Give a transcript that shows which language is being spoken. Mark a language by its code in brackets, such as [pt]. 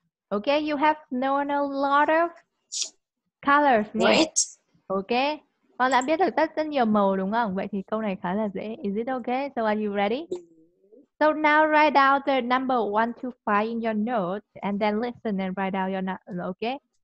[en] Ok, you have known a lot of colors. Right. [vi] Ok, con đã biết được rất nhiều màu đúng không? Vậy thì câu này khá là dễ. [en] Is it ok? So are you ready? So now write down the number 1 to 5 in your notes and then listen and write down your number, ok?